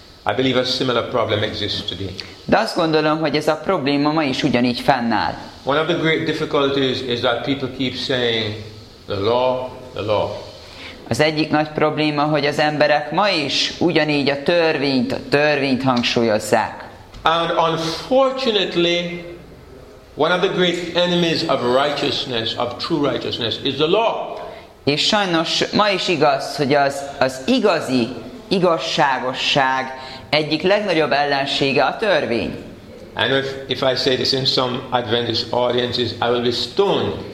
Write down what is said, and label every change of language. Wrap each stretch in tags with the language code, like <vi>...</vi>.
<en>I believe a similar problem exists today.</en> <hu>De azt gondolom, hogy ez a probléma ma is ugyanígy fennáll.</hu> <en>One of the great difficulties is that people keep saying the law, the law.</en> <hu>Az egyik nagy probléma, hogy az emberek ma is ugyanígy a törvényt hangsúlyozzák.</hu> <en>And unfortunately, one of the great enemies of righteousness, of true righteousness, is the law.</en> <hu>És sajnos ma is igaz, hogy az igazi igazságosság egyik legnagyobb ellensége a törvény.</hu> <en>And if I say this in some Adventist audiences, I will be stoned.</en>